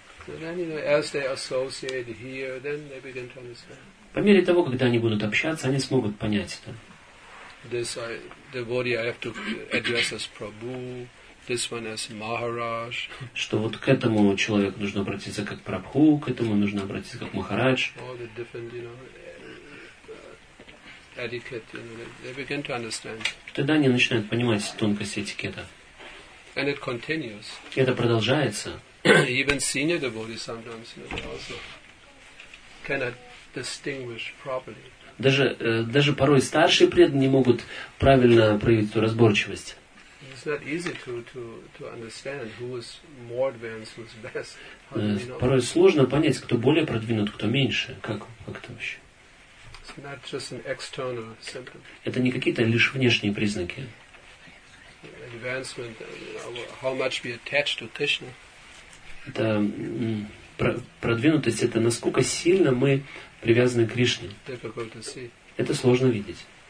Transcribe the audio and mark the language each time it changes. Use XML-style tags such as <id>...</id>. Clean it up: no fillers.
<en>So then, you know, as they associate here, then they begin to understand.</en> <ru>По мере того, когда они будут общаться, они смогут понять это.</ru> <en>This I, the body I have to address as Prabhu, this one as Maharaj.</en> <ru>Что вот к этому человеку нужно обратиться как Прабху, к этому нужно обратиться как Махарадж.</ru> <en>All the different, you know, etiquette, you know, they begin to understand.</en> <ru>Тогда они начинают понимать тонкость этикета.</ru> <en>And it continues.</en> <ru>И это продолжается.</ru> <en>Even senior devotees sometimes, you know, they also cannot distinguish properly.</en> <ru>Даже порой старшие преданные не могут правильно проявить эту разборчивость.</ru> <en>It's not easy to understand who is more advanced, who is best.</en> <ru>Порой сложно понять, кто более продвинут, кто меньше. Как это вообще?</ru> <en>It's not just an external symptom.</en> <ru>Это не какие-то лишь внешние признаки.</ru> <en>Advancement, how much we attach to Krishna.</en> <ru>Это продвинутость, это насколько сильно мы привязаны к Кришне. Это сложно видеть.</ru>